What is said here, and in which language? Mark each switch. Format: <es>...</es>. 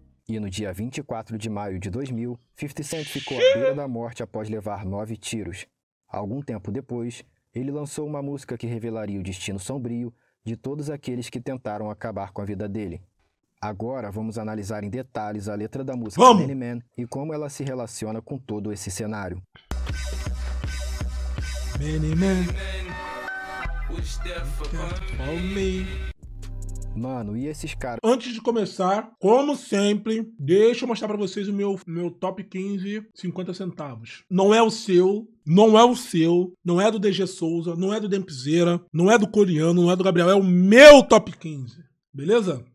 <pt>E no dia 24 de maio de 2000, 50 Cent ficou à beira da morte após levar 9 tiros. Algum tempo depois, ele lançou uma música que revelaria o destino sombrio de todos aqueles que tentaram acabar com a vida dele. Agora vamos analisar em detalhes a letra da música Many Men e como ela se relaciona com todo esse cenário.</pt> <en>Many Men, who's there for me?</en> <pt>Mano, e esses caras? Antes de começar, como sempre, deixa eu mostrar pra vocês o meu top 15, 50 centavos. Não é o seu, não é o seu, não é do DG Souza, não é do Dempzeira, não é do Coreano, não é do Gabriel, é o meu top 15, beleza?</pt>